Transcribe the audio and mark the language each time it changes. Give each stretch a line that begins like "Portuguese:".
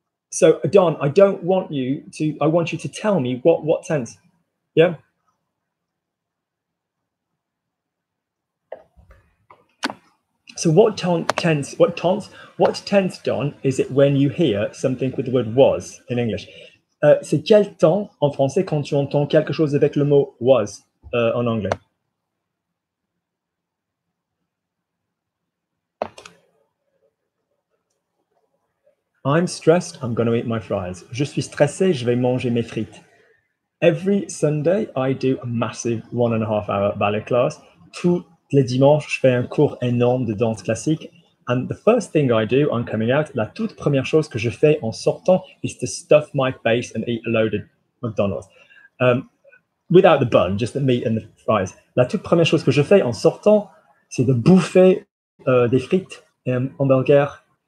English: So Don, I don't want you to, I want you to tell me what tense, yeah? So what tense, Don, is it when you hear something with the word was in English?
French: C'est quel temps en français quand tu entends quelque chose avec le mot was? En anglais.
English: I'm stressed, I'm going to eat my fries.
French: Je suis stressé, je vais manger mes frites.
English: Every Sunday, I do a massive 1.5 hour ballet class.
French: Tous les dimanches, je fais un cours énorme de danse classique.
English: And the first thing I do on coming out,
French: la toute première chose que je fais en sortant,
English: is to stuff my face and eat a load of McDonald's. Without the bun, just the meat and the fries.
French: La toute première chose que je fais en sortant, c'est de bouffer des frites et un hamburger.